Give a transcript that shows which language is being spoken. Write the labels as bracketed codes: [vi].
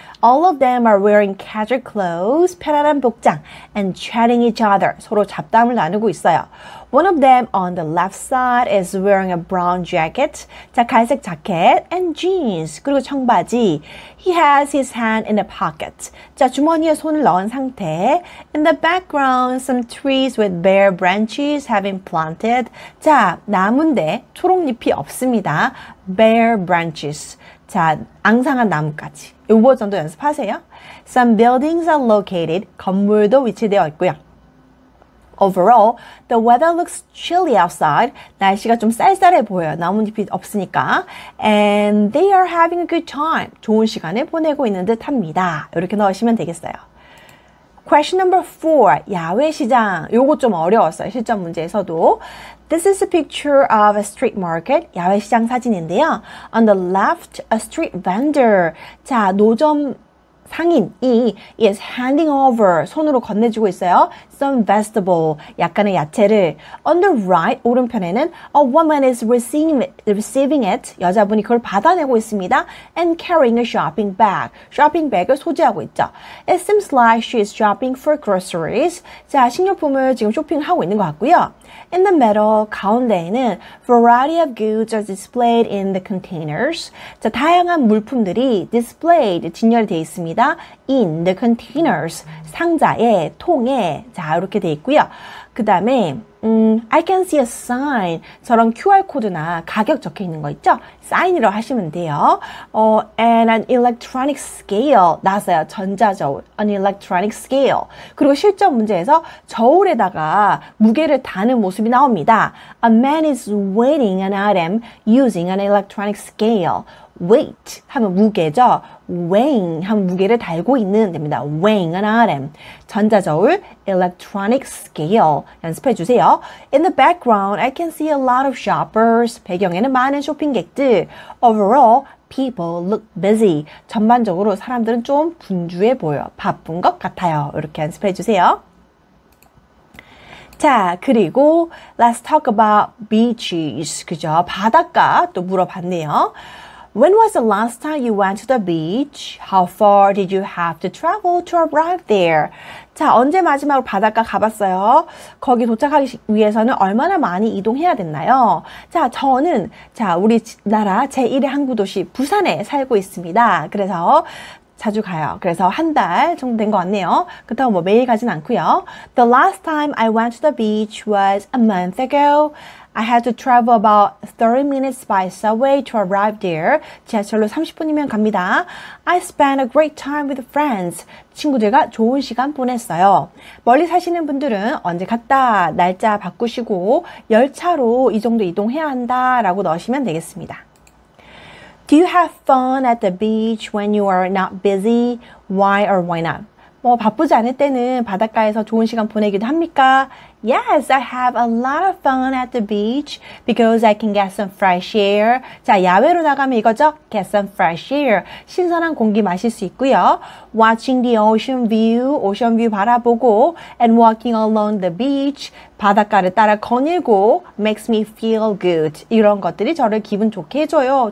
[en] All of them are wearing casual clothes, [ko] 편안한 복장, [en] and chatting each other. [ko] 서로 잡담을 나누고 있어요. [en] One of them on the left side is wearing a brown jacket, [ko] 자, 갈색 자켓, [en] and jeans, [ko] 그리고 청바지. [en] He has his hand in a pocket. [ko] 자, 주머니에 손을 넣은 상태. [en] In the background, some trees with bare branches have been planted. [ko] 자, 나무인데 초록잎이 없습니다. [en] Bare branches. [ko] 자, 앙상한 나뭇가지. 이 버전도 연습하세요. [en] Some buildings are located. [ko] 건물도 위치되어 있고요. [en] Overall, the weather looks chilly outside. [ko] 날씨가 좀 쌀쌀해 보여요. 나뭇잎이 없으니까. [en] And they are having a good time. [ko] 좋은 시간을 보내고 있는 듯 합니다. 이렇게 넣으시면 되겠어요. [en] Question number 4. [ko] 야외 시장. 요거 좀 어려웠어요. 실전 문제에서도. [en] This is a picture of a street market. [ko] 야외 시장 사진인데요. [en] On the left, a street vendor. [ko] 자, 노점 상인이 [en] is handing over, [ko] 손으로 건네주고 있어요. [en] Some vegetable, [ko] 약간의 야채를. [en] On the right, [ko] 오른편에는 [en] a woman is receiving it. [ko] 여자분이 그걸 받아내고 있습니다. [en] And carrying a shopping bag. [ko] 쇼핑백을 소지하고 있죠. [en] It seems like she is shopping for groceries. [ko] 자, 식료품을 지금 쇼핑하고 있는 것 같고요. [en] In the middle, [ko] 가운데에는 [en] variety of goods are displayed in the containers. [ko] 자, 다양한 물품들이 displayed, 진열되어 있습니다. [en] In the containers, [ko] 상자에, 통에. 자, 이렇게 되어 있고요. 그 다음에 [en] I can see a sign. [ko] 저런 QR코드나 가격 적혀 있는 거 있죠? sign으로 하시면 돼요. [en] And an electronic scale. [ko] 나왔어요. 전자저울. [en] An electronic scale. [ko] 그리고 실전 문제에서 저울에다가 무게를 다는 모습이 나옵니다. [en] A man is weighing an item using an electronic scale. [ko] Weight 하면 무게죠. Weighing 하면 무게를 달고 있는 됩니다. [en] Weighing an item. 전자저울, electronic scale. [ko] 연습해 주세요. [en] In the background, I can see a lot of shoppers. [ko] 배경에는 많은 쇼핑객들. [en] Overall, people look busy. [ko] 전반적으로 사람들은 좀 분주해 보여. 바쁜 것 같아요. 이렇게 연습해 주세요. 자, 그리고 [en] let's talk about beaches. [ko] 그죠? 바닷가 또 물어봤네요. [en] When was the last time you went to the beach? How far did you have to travel to arrive there? [ko] 자, 언제 마지막으로 바닷가 가봤어요? 거기 도착하기 위해서는 얼마나 많이 이동해야 됐나요? 자, 저는 자 우리나라 제1의 항구 도시 부산에 살고 있습니다. 그래서 자주 가요. 그래서 한 달 정도 된 것 같네요. 그렇다고 뭐 매일 가진 않고요. [en] The last time I went to the beach was a month ago. I had to travel about 30 minutes by subway to arrive there. [ko] 지하철로 30분이면 갑니다. [en] I spent a great time with friends. [ko] 친구들과 좋은 시간 보냈어요. 멀리 사시는 분들은 언제 갔다, 날짜 바꾸시고 열차로 이 정도 이동해야 한다 라고 넣으시면 되겠습니다. [en] Do you have fun at the beach when you are not busy? Why or why not? [ko] 뭐 바쁘지 않을 때는 바닷가에서 좋은 시간 보내기도 합니까? [en] Yes, I have a lot of fun at the beach because I can get some fresh air. [ko] 자, 야외로 나가면 이거죠? [en] Get some fresh air. [ko] 신선한 공기 마실 수 있고요. [en] Watching the ocean view, [ko] 오션 뷰 바라보고 [en] and walking along the beach, [ko] 바닷가를 따라 거닐고 [en] makes me feel good. [ko] 이런 것들이 저를 기분 좋게 해줘요.